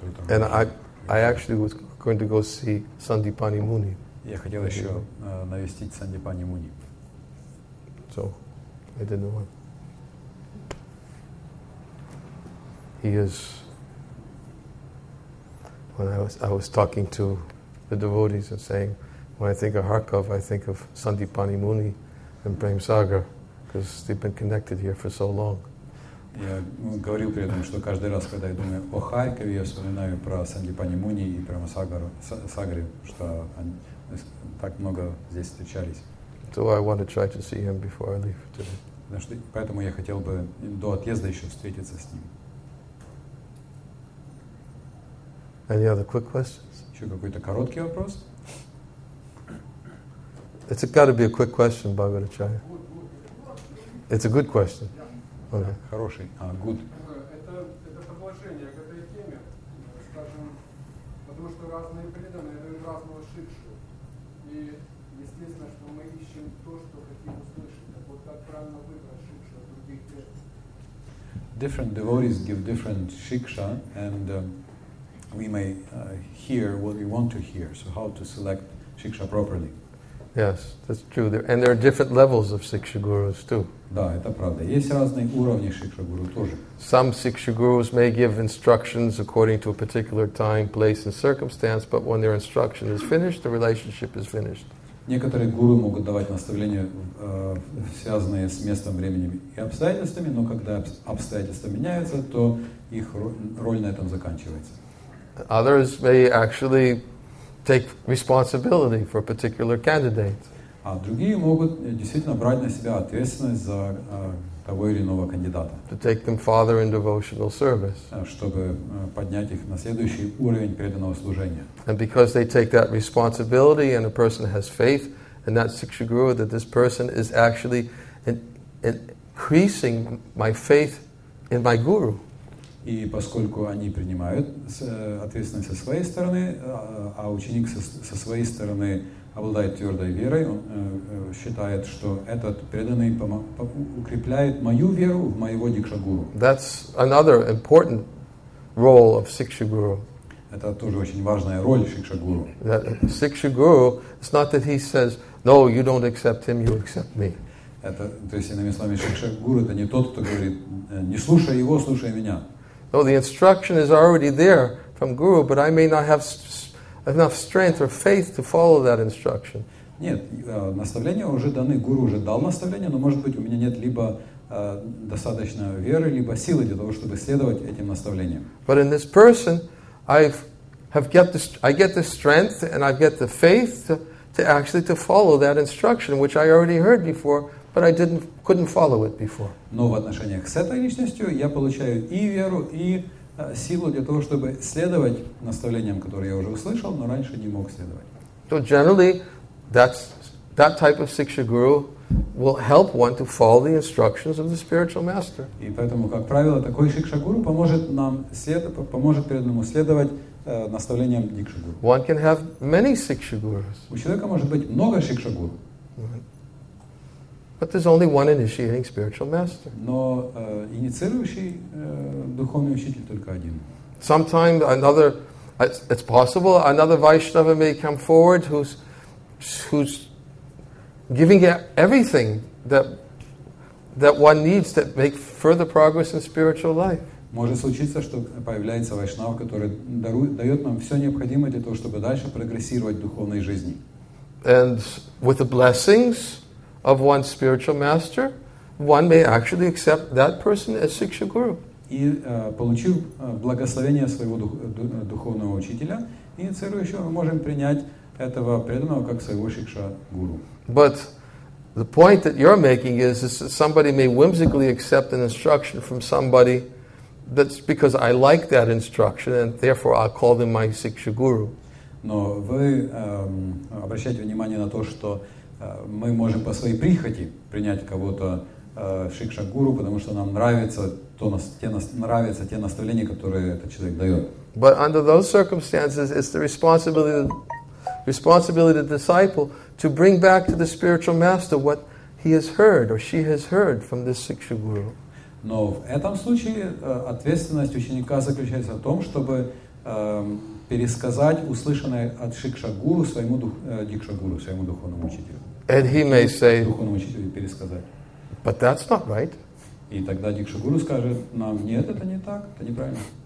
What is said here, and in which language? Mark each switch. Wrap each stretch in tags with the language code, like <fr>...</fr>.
<en>And I actually was going to go see Sandipani Muni.</en> <ru>Я хотел еще навестить Сандипани Муни.</ru> <en>So, I didn't want. He is. When I was talking to the devotees and saying, when I think of Kharkov, I think of Sandipani Muni and Prem Sagar. Because they've been connected here for so long.</en> <ru>Я говорил при этом, что каждый раз, когда я думаю о Харькове, я вспоминаю про Сандипани Муни и про Сагару, что они так много здесь встречались.</ru> <en>So I want to try to see him before I leave today.</en> <ru>Поэтому я хотел бы до отъезда еще встретиться с ним.</ru> <en>Any other quick questions?</en> <ru>Еще какой-то короткий вопрос?</ru> <en>It's got to be a quick question, Bhagavacharya. It's a good question. Okay.</en> <ru>Хороший.</ru> <en>Good.</en> <ru>Это продолжение к этой теме, скажем, потому что разные преданные дают разного шикшу. И естественно, что мы ищем то, что хотим услышать. Так вот, как правильно выбрать шикшу от других преданных?</ru> <en>Different devotees give different шикша, and we may hear what we want to hear. So how to select шикша properly? Yes, that's true. And there are different levels of Siksha Gurus too.</en> <ru>Да, это правда. Есть разные уровни Шикша Гуру тоже.</ru> <en>Some Siksha Gurus may give instructions according to a particular time, place and circumstance, but when their instruction is finished, the relationship is finished.</en> <ru>Некоторые гуру могут давать наставления, связанные с местом, временем и обстоятельствами, но когда обстоятельства меняются, то их роль на этом заканчивается.</ru> <en>Others may actually take responsibility for a particular candidate.</en> <ru>А другие могут действительно брать на себя ответственность за того или иного кандидата.</ru> <en>To take them farther in devotional service.</en> <ru>Чтобы поднять их на следующий уровень преданного служения.</ru> <en>And because they take that responsibility and a person has faith in that Siksha Guru, that this person is actually increasing my faith in my Guru.</en> <ru>И поскольку они принимают ответственность со своей стороны, а ученик со своей стороны обладает твердой верой, он считает, что этот преданный укрепляет мою веру в моего дикшагуру.</ru> <en>That's another important role of Sikshaguru.</en> <ru>Это тоже очень важная роль Сикшагуру.</ru> <en>Сикшагуру, it's not that he says, no, you don't accept him, you accept me.</en> <ru>Это, то есть, иными словами, Сикшагуру — это не тот, кто говорит, не слушай его, слушай меня.</ru> <en>No, the instruction is already there from Guru, but I may not have enough strength or faith to follow that instruction.</en> <ru>Нет, наставления уже даны, Гуру уже дал наставления, но, может быть, у меня нет либо достаточно веры, либо силы для того, чтобы следовать этим наставлениям.</ru> <en>But in this person, I get the strength and I get the faith to actually follow that instruction, which I already heard before, but I couldn't follow it before.</en> <ru>Но в отношениях с этой личностью я получаю и веру, и силу для того, чтобы следовать наставлениям, которые я уже услышал, но раньше не мог следовать.</ru> <en>So generally, that type of Sikshaguru will help one to follow the instructions of the spiritual master.</en> <ru>И поэтому, как правило, такой Сикшагуру поможет нам поможет преданному следовать наставлениям Дикшагуру.</ru> <en>One can have many Sikshagurus.</en> <ru>У человека может быть много Сикшагуру.</ru> <en>But there's only one initiating spiritual master.</en> <ru>Но инициирующий духовный учитель только один.</ru> <en>Sometimes it's possible another Vaishnava may come forward who's giving everything that one needs to make further progress in spiritual life.</en> <ru>Может случиться, что появляется вайшнава, который дает нам все необходимое для того, чтобы дальше прогрессировать в духовной жизни.</ru> <en>And with the blessings of one's spiritual master, one may actually accept that person as Sikshaguru.</en> <ru>И получив благословение своего духовного учителя, инициирующего, мы можем принять этого преданного как своего Сикшагуру.</ru> <en>But the point that you're making is that somebody may whimsically accept an instruction from somebody that's because I like that instruction and therefore I'll call them my Sikshaguru.</en> <ru>Но вы обращаете внимание на то, что мы можем по своей прихоти принять кого-то Сикшагуру, потому что нам нравится те наставления, которые этот человек дает.</ru> <en>But under those circumstances, it's the responsibility of the disciple to bring back to the spiritual master what he has heard or she has heard from this Sikshaguru.</en> <ru>Но в этом случае ответственность ученика заключается в том, чтобы пересказать услышанное от Сикшагуру своему дикшагуру, своему духовному учителю.</ru> <en>And he may say,</en> <ru>духовному учителю пересказать.</ru> <en>But that's not right.</en> <ru>И тогда дикшагуру скажет нам, нет, это не так, это неправильно.</ru>